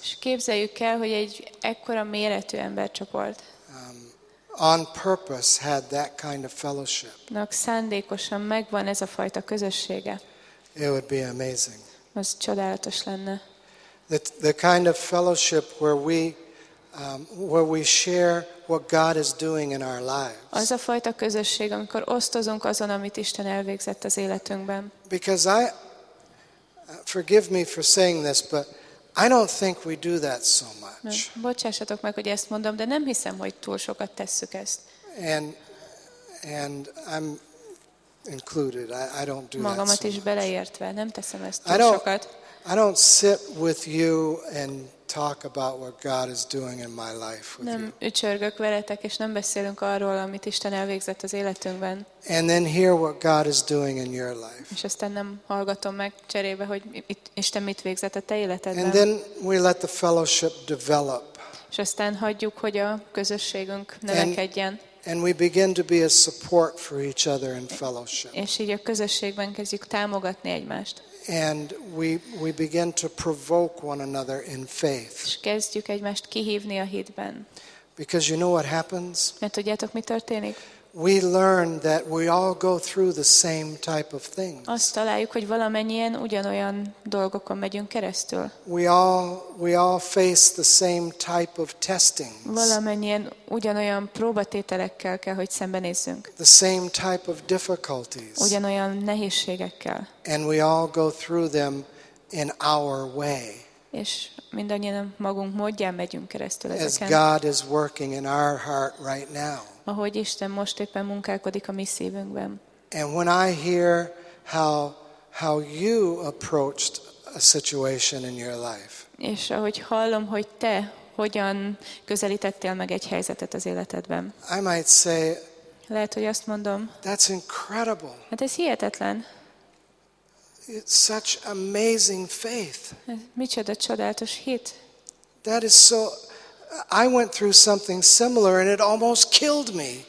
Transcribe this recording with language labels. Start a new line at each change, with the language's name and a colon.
Hungarian: És képzeljük el, hogy egy ekkora méretű embercsoport.
English: On purpose had that kind of fellowship.
Hungarian: Nak szándékosan megvan ez a fajta közössége.
English: It would be amazing.
Hungarian: Az csodálatos lenne.
English: The kind of fellowship where we share what God is doing in our lives.
Hungarian: Az a fajta közösség, amikor osztozunk azon, amit Isten elvégzett az életünkben.
English: Because I, forgive me for saying this, but I don't think we do that so much.
Hungarian: Bocsássatok meg, hogy ezt mondom, de nem hiszem, hogy túl sokat tesszük ezt.
English: And I'm included. I don't do
Hungarian: magamat
English: that so
Hungarian: is
English: much.
Hungarian: Beleértve, nem teszem ezt túl sokat.
English: I don't sit with you and talk about what God is doing in my life with
Hungarian: nem
English: you.
Hungarian: Nem ücsörgök veletek, és nem beszélünk arról, amit Isten elvégzett az életünkben.
English: And then hear what God is doing in your life.
Hungarian: És aztán nem hallgatom meg cserébe, hogy Isten mit végzett a te életedben.
English: And then we let the fellowship develop.
Hungarian: És aztán hagyjuk, hogy a közösségünk növekedjen.
English: And we begin to be a support for each other in fellowship.
Hungarian: És így a közösségben kezdjük támogatni egymást.
English: And we begin to provoke one another in faith.
Hungarian: És kezdjük egymást kihívni a hitben.
English: Because you know what happens?
Hungarian: Mert tudjátok, mi történik?
English: We learn that we all go through the same type of things.
Hungarian: Azt találjuk, hogy valamennyien ugyanolyan dolgokon megyünk keresztül.
English: We all face the same type of testings.
Hungarian: Valamennyien ugyanolyan próbatételekkel kell, hogy szembenézzünk.
English: The same type of difficulties.
Hungarian: Ugyanolyan nehézségekkel.
English: And we all go through them in our way.
Hungarian: És mindannyian magunk módján megyünk keresztül ezeken.
English: As God is working in our heart right now.
Hungarian: Ahogy Isten most éppen munkálkodik a mi szívünkben.
English: And when I hear how you approached a situation in your life.
Hungarian: És ahogy hallom, hogy te hogyan közelítettél meg egy helyzetet az életedben.
English: I might say,
Hungarian: lehet, hogy azt mondom.
English: That's incredible.
Hungarian: Hát ez hihetetlen.
English: It's such amazing faith.
Hungarian: Micsoda csodálatos hit.
English: That is so, I went through something similar and it almost killed me.